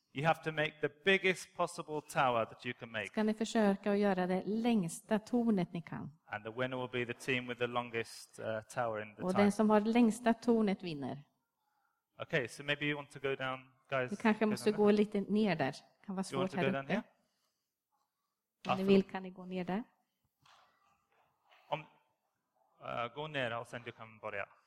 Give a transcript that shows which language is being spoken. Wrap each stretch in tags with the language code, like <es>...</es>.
<en>You have to make the biggest possible tower that you can make.</en> <sv>Ska ni försöka att göra det längsta tornet ni kan.</sv> <en>And the winner will be the team with the longest tower in the</en> <sv>och</sv> <en>time.</en> <sv>Den som har längsta tornet vinner.</sv> <en>Okay, so maybe you want to go down, guys.</en> <sv>Du kanske måste gå lite ner där. Kan vara svårt här uppe. Om ni vill kan ni gå ner där. Gå ner och sen du kan börja.</sv>